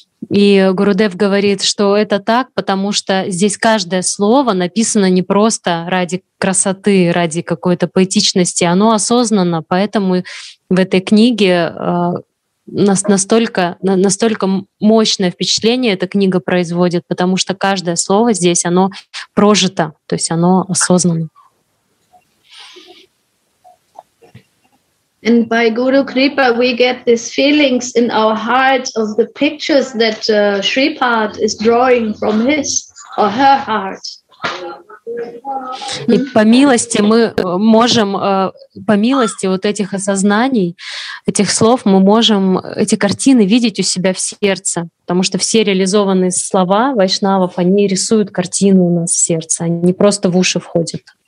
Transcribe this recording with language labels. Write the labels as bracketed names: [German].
[Russian] И Гурудев говорит, что это так, потому что здесь каждое слово написано не просто ради красоты, ради какой-то поэтичности, оно осознанно, поэтому в этой книге настолько мощное впечатление эта книга производит, потому что каждое слово здесь, оно прожито, то есть оно осознанно. [English] And by Guru Kripa, we get these feelings in our hearts of the pictures that Shripad is drawing from his or her heart. [Russian] И по милости мы можем, по милости вот этих осознаний, этих слов, мы можем эти картины видеть у себя в сердце, потому что все реализованные слова вайшнавов, они рисуют картину у нас в сердце, они не просто в уши входят.